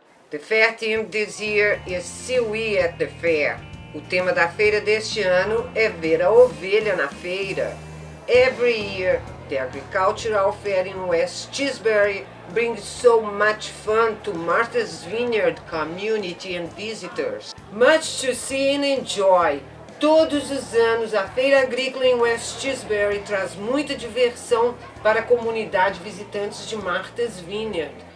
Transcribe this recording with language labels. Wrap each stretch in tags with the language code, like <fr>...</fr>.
<en>The fair theme this year is Seaweed at the Fair.</en> <pt>O tema da feira deste ano é ver a ovelha na feira.</pt> <en>Every year, the agricultural fair in West Tisbury brings so much fun to Martha's Vineyard community and visitors. Much to see and enjoy.</en> <pt>Todos os anos, a feira agrícola em West Tisbury traz muita diversão para a comunidade visitantes de Martha's Vineyard.</pt>